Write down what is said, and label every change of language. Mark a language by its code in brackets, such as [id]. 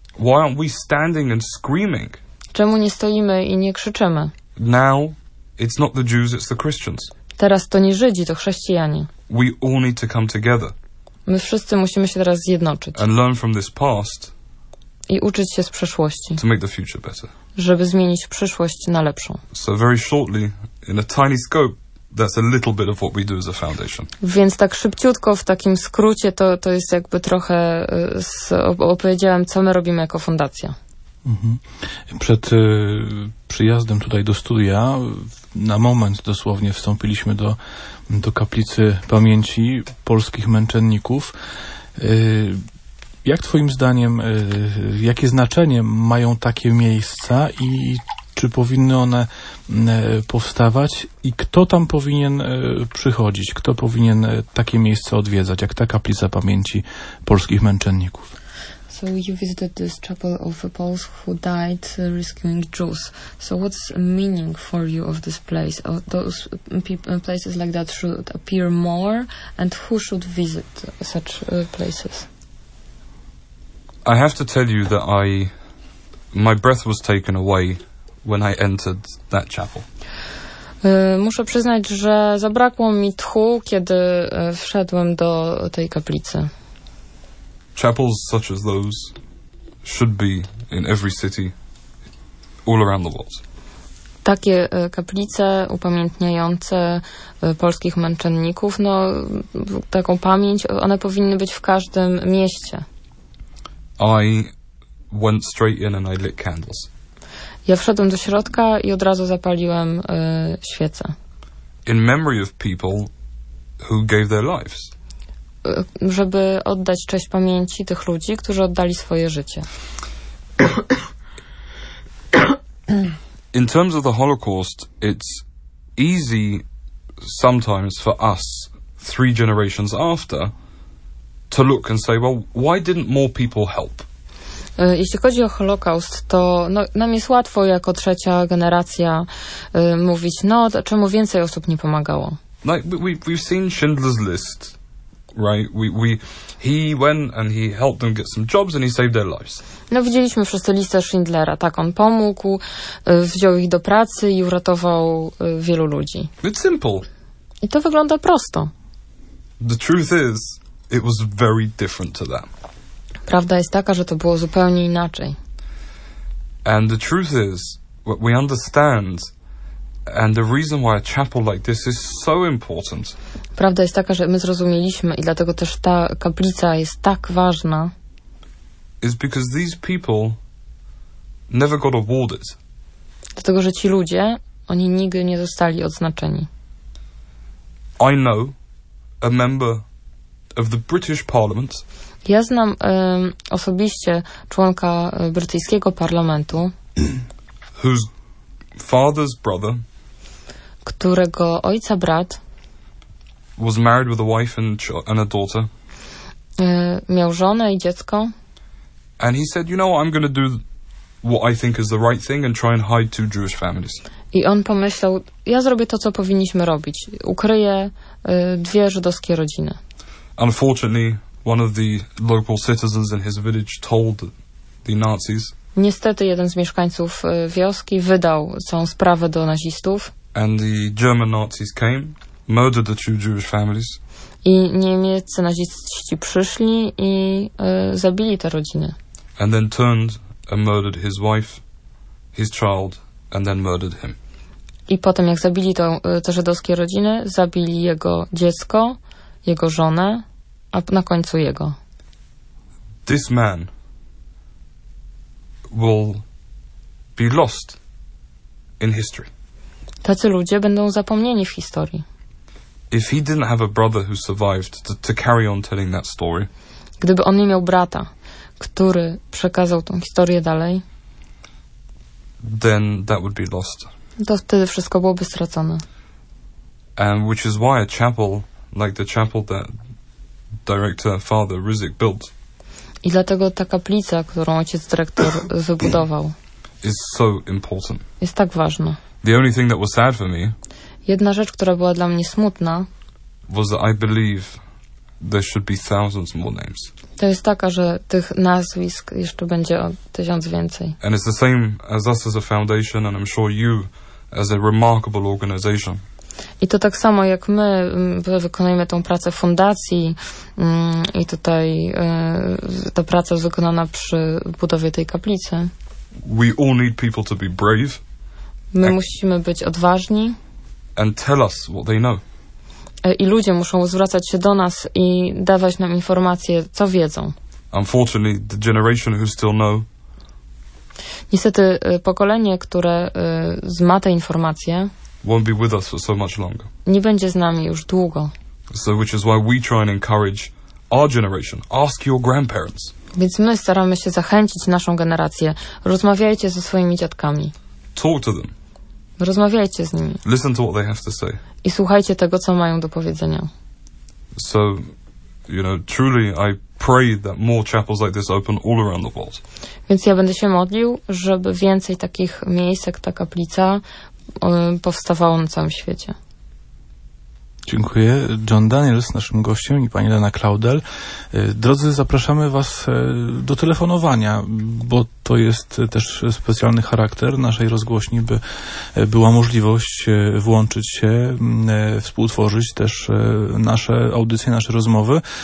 [en] Why aren't we standing and screaming? [pl] Czemu nie stoimy i nie krzyczymy? [en] Now, it's not the Jews, it's the Christians. [pl] Teraz to nie Żydzi, to chrześcijanie. [en] We all need to come together. [pl] My wszyscy musimy się teraz zjednoczyć. [en] And learn from this past. [pl] I uczyć się z przeszłości. [en] To make the future better. [pl] Żeby zmienić przyszłość na lepszą. [en] So very shortly, in a tiny scope, that's a little bit of what we do as a foundation. [pl] Więc tak szybciutko, w takim skrócie, to jest jakby trochę opowiedziałem, co my robimy jako fundacja. Przed przyjazdem tutaj do studia, na moment dosłownie wstąpiliśmy do kaplicy pamięci polskich męczenników. Jak twoim zdaniem, jakie znaczenie mają takie miejsca i czy powinny one powstawać i kto tam powinien przychodzić, kto powinien takie miejsce odwiedzać, jak ta kaplica pamięci polskich męczenników? [en] So you visited this chapel of the Poles who died rescuing Jews. So what's meaning for you of this place? Those places like that should appear more, and who should visit such places? I have to tell you that my breath was taken away when I entered that chapel. [pl] Muszę przyznać, że zabrakło mi tchu, kiedy wszedłem do tej kaplicy. [en] Chapels such as those should be in every city all around the world. [pl] Takie kaplice upamiętniające polskich męczenników, no taką pamięć, one powinny być w każdym mieście. [en] I went straight in and I lit candles. [pl] Ja wszedłem do środka i od razu zapaliłem świece. [en] In memory of people who gave their lives. [pl] Żeby oddać cześć pamięci tych ludzi, którzy oddali swoje życie. [en] In terms of the Holocaust, it's easy sometimes for us, three generations after, to look and say, well, why didn't more people help? [pl] Jeśli chodzi o Holokaust, to no, nam jest łatwo jako trzecia generacja mówić, no, czemu więcej osób nie pomagało? [en] Like we've seen Schindler's List, right? He went and he helped them get some jobs and he saved their lives. [pl] No, widzieliśmy wszyscy listę Schindlera. Tak, on pomógł, wziął ich do pracy i uratował wielu ludzi. [en] It's simple. [pl] I to wygląda prosto. [en] The truth is, it was very different to that. [pl] Prawda jest taka, że to było zupełnie inaczej. [en] And the truth is, what we understand, and the reason why a chapel like this is so important. [pl] Prawda jest taka, że my zrozumieliśmy i dlatego też ta kaplica jest tak ważna. [en] Is because these people never got awarded. [pl] Dlatego, że ci ludzie, oni nigdy nie zostali odznaczeni. [en] I know a member of the British Parliament. [pl] Ja znam osobiście członka brytyjskiego parlamentu, [en] whose father's brother, [pl] którego ojca brat, [en] was married with a wife and a daughter, [pl] miał żonę i dziecko. [en] And he said, you know what, I'm going to do what I think is the right thing and try and hide two Jewish families. [pl] I on pomyślał, ja zrobię to, co powinniśmy robić. Ukryję dwie żydowskie rodziny. [en] Unfortunately, one of the local citizens in his village told the Nazis. [pl] Niestety jeden z mieszkańców wioski wydał całą sprawę do nazistów. [en] And the German Nazis came, murdered the two Jewish families. [pl] I niemieccy naziści przyszli i zabili te rodziny. [en] And then turned and murdered his wife, his child, and then murdered him. [pl] I potem jak zabili te żydowskie rodziny, zabili jego dziecko, jego żonę, a na końcu jego. [en] This man will be lost in history. [pl] Tacy ludzie będą zapomnieni w historii. [en] If he didn't have a brother who survived to carry on telling that story. [pl] Gdyby on nie miał brata, który przekazał tą historię dalej, [en] then that would be lost. [pl] To wtedy wszystko byłoby stracone. [en] And which is why a chapel like the chapel that director Father Rizik built. [pl] I dlatego ta kaplica, którą ojciec dyrektor wybudował, [en] is so important. [pl] Jest tak ważna. [en] The only thing that was sad for me, [pl] jedna rzecz, która była dla mnie smutna, [en] was that I believe there should be thousands more names. [pl] To jest taka, że tych nazwisk jeszcze będzie o tysiąc więcej. [en] And it's the same as us as a foundation, and I'm sure you as a remarkable organization. [pl] I to tak samo jak my wykonujemy tą pracę w fundacji i tutaj ta praca wykonana przy budowie tej kaplicy. [en] We all need people to be brave. [pl] My musimy być odważni. [en] And tell us what they know. [pl] I ludzie muszą zwracać się do nas i dawać nam informacje, co wiedzą. [en] Unfortunately, the generation who still know. [pl] Niestety pokolenie, które zma te informacje, [en] won't be with us for so much longer. [pl] Nie będzie z nami już długo. [en] So which is why we try and encourage our generation. Ask your grandparents. [pl] Więc my staramy się zachęcić naszą generację. Rozmawiajcie ze swoimi dziadkami. [en] Talk to them. [pl] Rozmawiajcie z nimi. [en] Listen to what they have to say. [pl] I słuchajcie tego, co mają do powiedzenia. [en] So, you know, truly I pray that more chapels like this open all around the world. [pl] Więc ja będę się modlił, żeby więcej takich miejsc, jak ta kaplica, powstawało na całym świecie. Dziękuję. John Daniel jest naszym gościem i pani Lena Claudel. Drodzy, zapraszamy was do telefonowania, bo to jest też specjalny charakter naszej rozgłośni, by była możliwość włączyć się, współtworzyć też nasze audycje, nasze rozmowy.